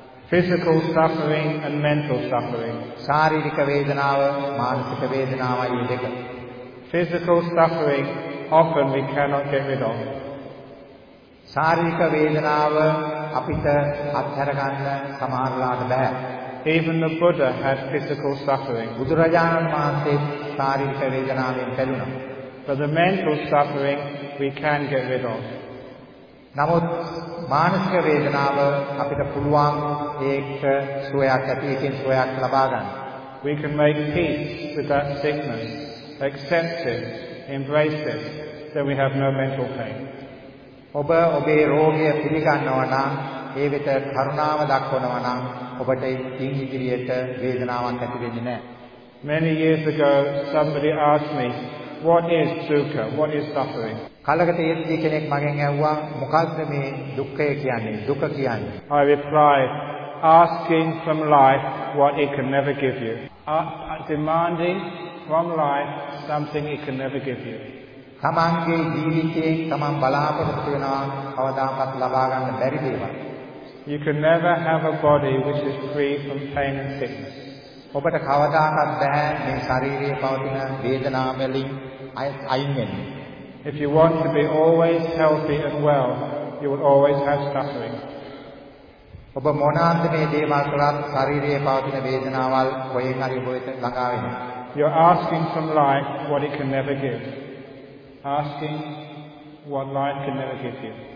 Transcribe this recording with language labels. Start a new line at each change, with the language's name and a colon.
English: Physical suffering and mental suffering.
Sinhala: ශාරීරික වේදනාව මානසික වේදනාවයි දෙක.
English: Physical suffering often we cannot get rid of.
Sinhala: ශාරීරික වේදනාව අපිට අත්හැරගන්න සමහරවිට බෑ.
English: Even the Buddha had physical suffering.
Sinhala: බුදුරජාණන් වහන්සේ ශාරීරික වේදනාවෙන් පෙළුණා.
English: But the mental suffering we can get rid of.
Sinhala: නමුත් මානසික වේදනාව අපිට පුළුවන් ඒක සුවයක් ඇතිකින් සුවයක් ලබා ගන්න.
English: We can make peace with that sickness, accept it, embrace it, so we have no mental pain.
Sinhala: ඔබ ඔබේ රෝගය පිළිගන්නවා නම් ඒ වෙත කරුණාව දක්වනවා නම් ඔබට ඉන් ඉදිරියට වේදනාවක් ඇති වෙන්නේ නැහැ.
English: Many years ago somebody asked me, what is dukkha? What is suffering?
Sinhala: කලකට ඉඳි කෙනෙක් මගෙන් ඇහුවා මොකක්ද මේ දුක්ඛය කියන්නේ දුක කියන්නේ.
English: I replied, asking from life what it can never give you. Demanding from life something it can never give you.
Sinhala: තමන්ගේ ජීවිතේ තමන් බලාපොරොත්තු වෙනවා කවදාකවත් ලබා ගන්න බැරි දේවල්.
English: You can never have a body which is free from pain and sickness.
Sinhala: ඔබට කවදාකවත් බෑ මේ ශාරීරියේ පවතින වේදනා වලින් අයින් වෙන්න.
English: If you want to be always healthy and well, you will always have suffering.
Sinhala: ඔබ මොන අන්දමේ දේවල් කරත් ශාරීරියේ පවතින වේදනාවල් කොහේ හරි හොයත ළඟා වෙනවා.
English: You are asking from life what it can never give. Asking what life can never give you.